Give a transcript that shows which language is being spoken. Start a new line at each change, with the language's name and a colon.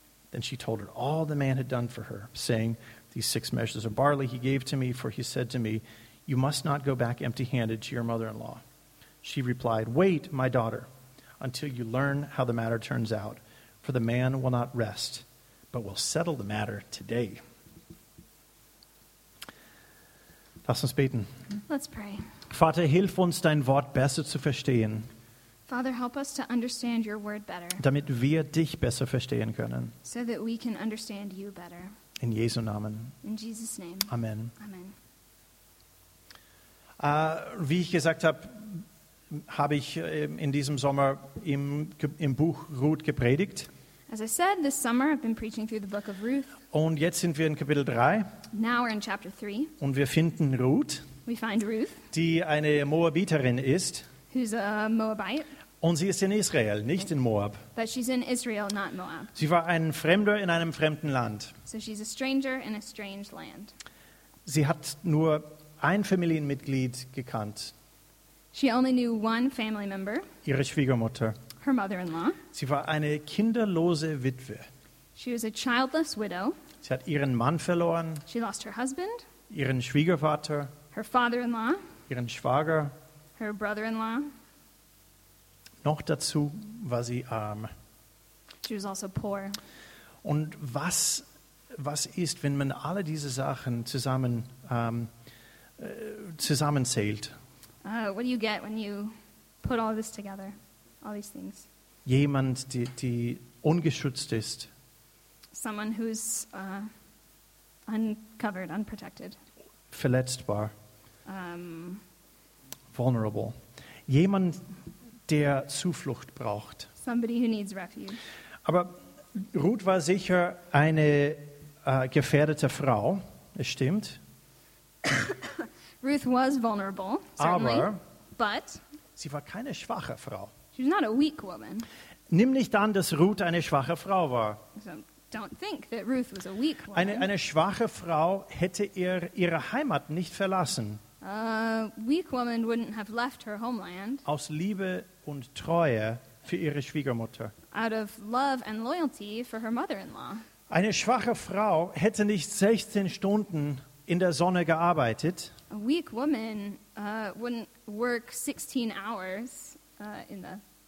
English: Then she told her all the man had done for her, saying, "These 6 measures of barley he gave to me, for he said to me, 'You must not go back empty-handed to your mother-in-law.'" She replied, "Wait, my daughter, until you learn how the matter turns out, for the man will not rest, but will settle the matter today."
German: Lass uns beten.
English: Let's pray.
German: Vater, hilf uns, dein Wort besser zu verstehen.
English: Father, help us to understand your word better.
German: Damit wir dich besser verstehen können.
English: So that we can understand you better.
German: In Jesu Namen.
English: In Jesus' name.
German: Amen.
English: Amen.
German: Wie ich gesagt habe, habe ich in diesem Sommer im Buch Ruth gepredigt.
English: As I said, this summer I've been preaching through the book of Ruth.
German: Und jetzt sind wir in Kapitel 3.
English: Now we're in chapter 3.
German: Und wir finden Ruth.
English: We find Ruth.
German: Die eine Moabiterin ist.
English: Who's a Moabite.
German: Und sie ist in Israel, nicht in Moab.
English: But she's in Israel, not Moab.
German: Sie war ein Fremder in einem fremden Land.
English: So she's a stranger in a strange land.
German: Sie hat nur ein Familienmitglied gekannt.
English: She only knew one family member.
German: Ihre Schwiegermutter.
English: Her mother-in-law.
German: Sie war eine kinderlose Witwe.
English: She was a childless widow.
German: Sie hat ihren Mann verloren.
English: She lost her husband.
German: Ihren Schwiegervater.
English: Her father-in-law.
German: Ihren Schwager.
English: Her brother-in-law.
German: Noch dazu war sie arm.
English: She was also poor.
German: Und was ist, wenn man alle diese Sachen zusammen zusammenzählt?
English: What do you get when you put all this together, all these things?
German: Jemand, die ungeschützt ist.
English: Someone who's uncovered, unprotected.
German: Verletzbar.
English: Vulnerable.
German: Jemand, der Zuflucht braucht.
English: Somebody who needs refuge.
German: Aber Ruth war sicher eine gefährdete Frau, es stimmt.
English: Ruth was vulnerable, certainly.
German: Aber
English: but
German: sie war keine schwache Frau.
English: She's not a weak woman.
German: Nimm nicht an, dass Ruth eine schwache Frau war.
English: So don't think that Ruth was a weak woman.
German: Eine schwache Frau hätte ihre Heimat nicht verlassen.
English: A weak woman wouldn't have left her homeland.
German: Aus Liebe und Treue für ihre Schwiegermutter.
English: Out of love and loyalty for her mother-in-law.
German: Eine schwache Frau hätte nicht 16 Stunden in der Sonne gearbeitet.
English: A weak woman wouldn't work 16 hours in the